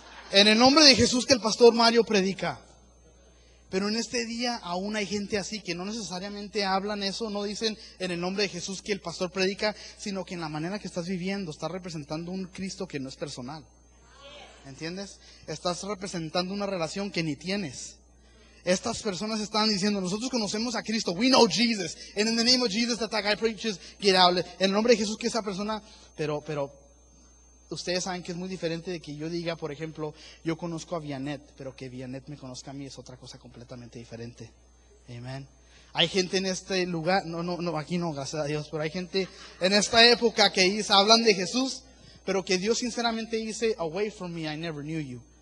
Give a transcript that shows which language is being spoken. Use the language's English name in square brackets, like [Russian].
[Spanish] En el nombre de Jesús que el pastor Mario predica. Pero en este día aún hay gente así que no necesariamente hablan eso, no dicen en el nombre de Jesús que el pastor predica, sino que en la manera que estás viviendo estás representando un Cristo que no es personal. ¿Entiendes? Estás representando una relación que ni tienes. Estas personas están diciendo, nosotros conocemos a Cristo. [English] We know Jesus. And in the name of Jesus that guy preaches, get out. [Spanish] En el nombre de Jesús que esa persona... Pero ustedes saben que es muy diferente de que yo diga, por ejemplo, yo conozco a Vianet, pero que Vianet me conozca a mí es otra cosa completamente diferente. Amen. Hay gente en este lugar, no, aquí no, gracias a Dios, pero hay gente en esta época que dice, hablan de Jesús, pero que Dios sinceramente dice, [English] away from me, I never knew you.